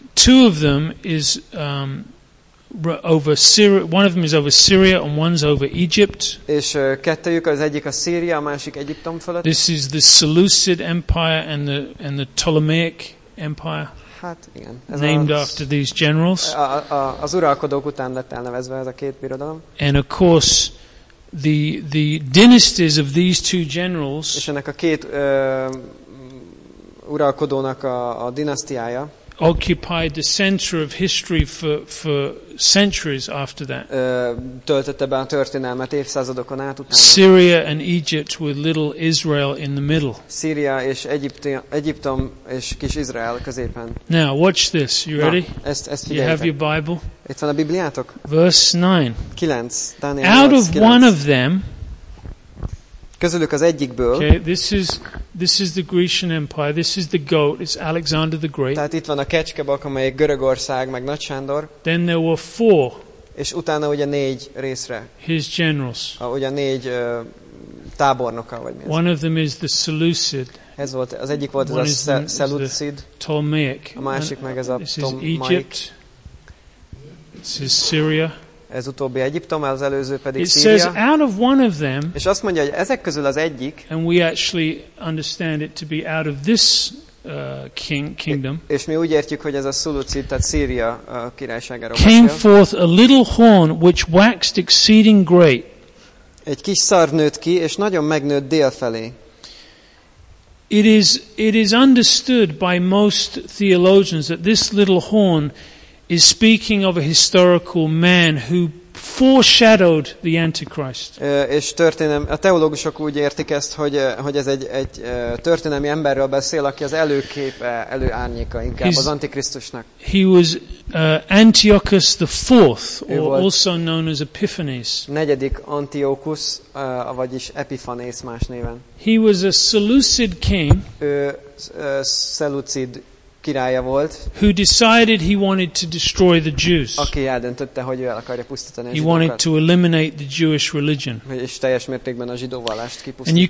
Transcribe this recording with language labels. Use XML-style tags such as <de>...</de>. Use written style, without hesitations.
<en>Two of them is over Syria, one of them is over Syria and one's over Egypt.</en> <hu>És kettőjük, az egyik a Szíria, a másik Egyiptom fölött.</hu> <en>This is the Seleucid Empire and the Ptolemaic Empire.</en> <hu>Hát igen.</hu> <en>Ez named az, after these generals.</en> <hu>Az uralkodók után lett elnevezve ez a két birodalom.</hu> <en>And of course the dynasties of these two generals.</en> <hu>És ennek a két uralkodónak a dinasztiája.</hu> <en>Occupied the center of history for centuries after that.</en> <hu>Töltötte be a történelmet évszázadokon át utána.</hu> <en>Syria and Egypt with little Israel in the middle.</en> <hu>Szíria és Egyiptom és kis Izrael középen.</hu> <en>Now watch this. You ready?</en> <hu>Na, ezt</hu> <en>you have your Bible?</en> <hu>Itt van a Bibliátok.</hu> <en>Verse 9. Daniel out 8, of 9. One of them.</en> <hu>Közülük az egyikből.</hu> <en>Okay, this is the Grecian Empire. This is the goat. It's Alexander the Great.</en> <hu>Tehát itt van a kecskebak, amelyik Görögország, meg Nagy Sándor.</hu> <en>Then there were four.</en> <hu>És utána ugye négy részre.</hu> <en>His generals.</en> <hu>Ugye négy tábornoka vagy mi ez?</hu> <en>One of them is the Seleucid.</en> <hu>Ez volt az egyik volt az a Seleucid.</hu> <en>Ptolemaic.</en> <hu>A másik meg ez a Ptolemaic.</hu> <en>This is Egypt. This is Syria.</en> <hu>Ez utóbbi Egyiptom, az előző pedig</hu> <en>it</en> <hu>Szíria.</hu> <en>Says, out of one of them,</en> <hu>és azt mondja, hogy ezek közül az egyik.</hu> <en>And we actually understand it to be out of this kingdom.</en> <hu>És mi úgy értjük, hogy ez a Seleucid, tehát Szíria királyságáról beszél.</hu> <en>Came forth a little horn which waxed exceeding great.</en> <hu>Egy kis szarv nőtt ki, és nagyon megnőtt dél felé.</hu> <en>It is understood by most theologians that this little horn is speaking of a historical man who foreshadowed the Antichrist.</en> <hu>És a teológusok úgy értik ezt, hogy ez egy történelmi emberről beszél, aki az előképe, előárnyéka inkább az Antikrisztusnak.</hu> <en>He was Antiochus the Fourth, or also known as Epiphanes.</en> <hu>Negyedik Antiochus, vagyis Epiphanes más néven.</hu> <en>He was a Seleucid king.</en> <hu>Seleucid királya volt.</hu> <en>Who decided he wanted to destroy the Jews.</en> <hu>Aki eldöntötte, hogy ő el akarja pusztítani a zsidókat.</hu> <en>He wanted to eliminate the Jewish religion.</en> <hu>És teljes mértékben a zsidó vallást kipusztítani.</hu>